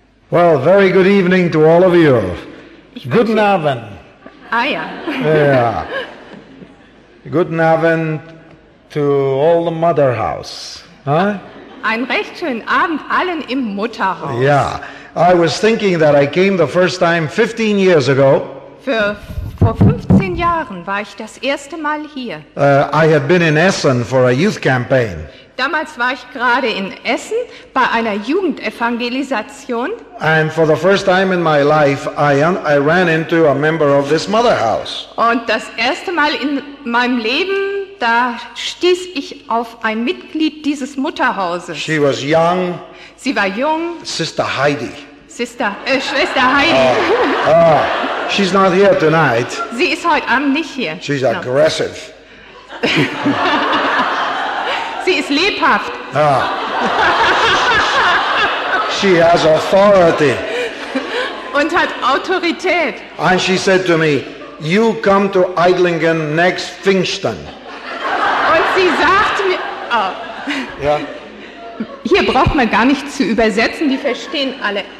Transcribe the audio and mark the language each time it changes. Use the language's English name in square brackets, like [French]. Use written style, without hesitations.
[English] Well, very good evening to all of you. [German] Guten Abend. Ah, ja. Ja. Guten Abend [English] to all the mother house. Huh? [German] Ein recht schönen Abend allen im Mutterhaus. Ja. [English] I was thinking that I came the first time 15 years ago. [German] Vor 15 Jahren war ich das erste Mal hier. [English] I had been in Essen for a youth campaign. [German] Damals war ich gerade in Essen bei einer Jugendevangelisation. [English] And for the first time in my life, I ran into a member of this mother house. [German] Und das erste Mal in meinem Leben, da stieß ich auf ein Mitglied dieses Mutterhauses. [English] She was young. [German] Sie war jung. [English] Sister Heidi. [German] Schwester Heidi. [English] She's not here tonight. [German] Sie ist heute Abend nicht hier. [English] She's aggressive. [German] Sie ist lebhaft. Ah. [English] She has authority. [German] Und hat Autorität. [English] And she said to me, "You come to Eidlingen next Pfingsten." [German] Und sie sagte mir, oh. Yeah. Hier braucht man gar nicht zu übersetzen, die verstehen alle.